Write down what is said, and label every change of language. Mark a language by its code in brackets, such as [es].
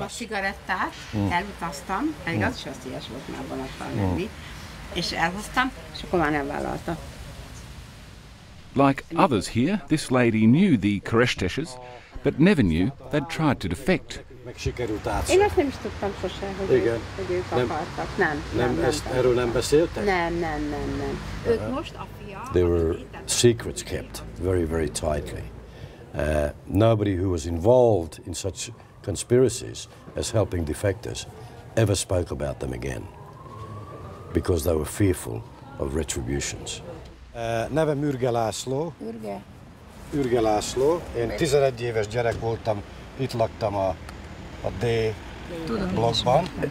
[hu] A cigarettát, elutaztam, pedig az is veszélyes volt már vonattal menni, és elhoztam, és akkor már nem vállalta. [en] Like others here, this lady knew the Keresteses, but never knew they'd tried to defect. [hu] Én ezt nem is tudtam sose, hogy ők akartak. Nem. Erről nem beszéltek? Nem. Ők most a fia... [en] There were secrets kept very, very tightly. Nobody who was involved in such conspiracies as helping defectors ever spoke about them again, because they were fearful of retributions. [hu] Nevem Ürge László. Ürge László. Én 11 éves gyerek voltam, itt laktam a D blokkban.